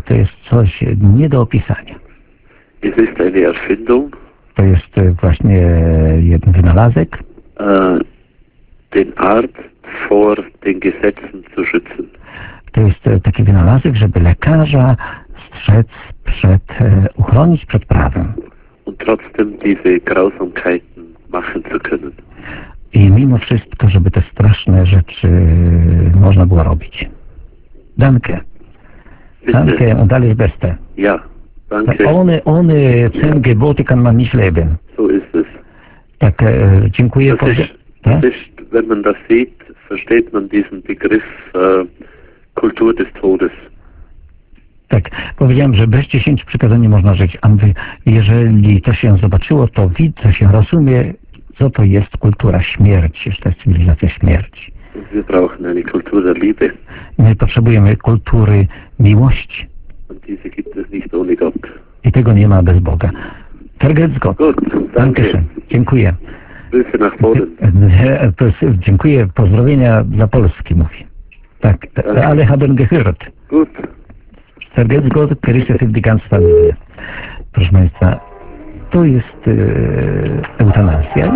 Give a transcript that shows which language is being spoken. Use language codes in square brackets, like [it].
[pl] To jest coś nie do opisania. [de] Es ist eine Erfindung. [pl] To jest właśnie jeden wynalazek. [de] Den Arzt vor den Gesetzen zu schützen. [pl] To jest taki wynalazek, żeby lekarza strzec przed, uchronić przed prawem. [de] Und trotzdem diese Grausamkeiten machen zu können. [pl] I mimo wszystko, żeby te straszne rzeczy można było robić. [de] Danke. Bitte. Danke und alles Beste. Ja. Danke. Ohne zehn Gebote kann man nicht leben. So ist es. [pl] Tak, dziękuję. [de] Ist, wenn man das sieht, versteht man diesen Begriff Kultur des Todes. [pl] Tak, powiedziałem, że bez 10 przykazań nie można żyć. A mówię, jeżeli to się zobaczyło, to widzę, się rozumie, co to jest kultura śmierci, że to jest cywilizacja śmierci. [de] Wir brauchen eine Kultur der Liebe. [pl] My potrzebujemy kultury miłości. [de] Und diese gibt es nicht ohne Gott. [pl] I tego nie ma bez Boga. [de] Vergesst Gott. Gut, danke schön. [pl] Dziękuję. [de] Grüße nach Polen. [pl] Dziękuję. Pozdrowienia dla Polski, mówię. [de] Tak, danke. Ale haben gehört. Gut. Vergesst Gott, grüße für die ganze Familie. [pl] Proszę Państwa, to jest eutanazja.